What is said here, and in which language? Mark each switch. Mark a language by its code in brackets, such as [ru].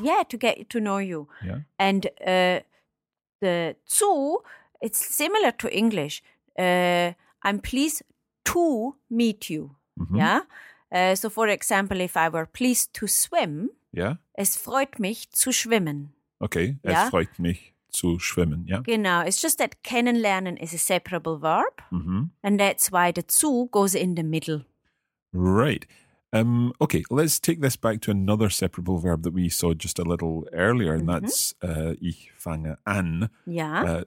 [en] Yeah, to get to know you. Yeah. And the zu, it's similar to English. I'm pleased to meet you, yeah? So for example, if I were pleased to swim, [de] es freut mich zu schwimmen. Okay, es freut mich zu schwimmen, yeah? [en] Genau, it's just that kennenlernen is a separable verb, and that's why the zu goes in the middle. Right. Okay, let's take this back to another separable verb that we saw just a little earlier, and that's [de] ich fange an. [en] Yeah.